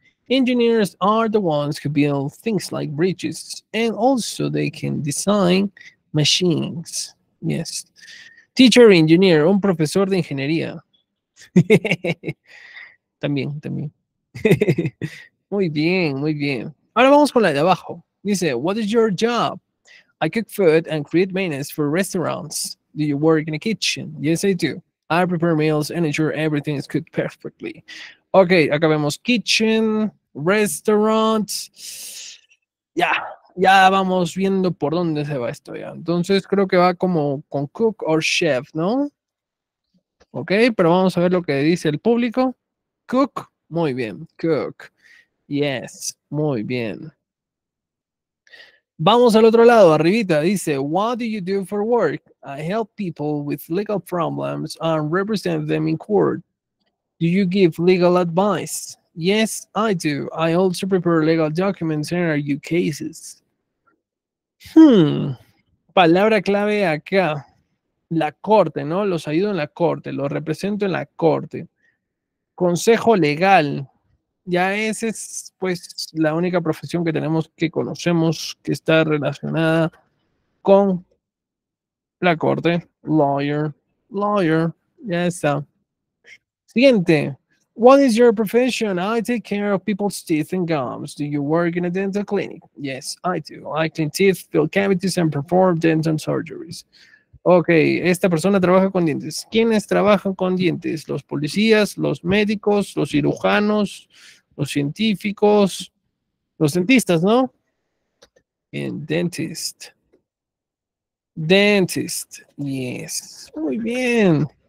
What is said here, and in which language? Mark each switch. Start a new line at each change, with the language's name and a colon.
English: Engineers are the ones who build things like bridges, and also they can design machines. Yes. Teacher engineer,
Spanish: un profesor de ingeniería. También, también. Muy bien, muy bien. Ahora vamos con la de abajo. Dice,
English: what is your job? I cook food and create menus for restaurants. Do you work in a kitchen? Yes, I do. I prepare meals and ensure everything is cooked perfectly.
Spanish: Ok, acá vemos kitchen, restaurant. Ya. Yeah. Ya vamos viendo por dónde se va esto ya. Entonces creo que va como con
English: cook or chef,
Spanish: ¿no? Ok, pero vamos a ver lo que dice el público. Cook, muy bien, cook.
English: Yes,
Spanish: muy bien. Vamos al otro lado, arribita. Dice,
English: what do you do for work? I help people with legal problems and represent them in court. Do you give legal advice? Yes, I do. I also prepare legal documents and argue cases.
Spanish: Palabra clave acá, la corte, ¿no? Los ayudo en la corte, los represento en la corte. Consejo legal, ya esa es pues la única profesión que tenemos que conocemos que está relacionada con la corte.
English: Lawyer, lawyer,
Spanish: ya está. Siguiente,
English: what is your profession? I take care of people's teeth and gums. Do you work in a dental clinic? Yes, I do. I clean teeth, fill cavities, and perform dental surgeries.
Spanish: Ok, esta persona trabaja con dientes. ¿Quiénes trabajan con dientes? Los policías, los médicos, los cirujanos, los científicos, los dentistas, ¿no?
English: And dentist. Dentist. Yes.
Spanish: Muy bien.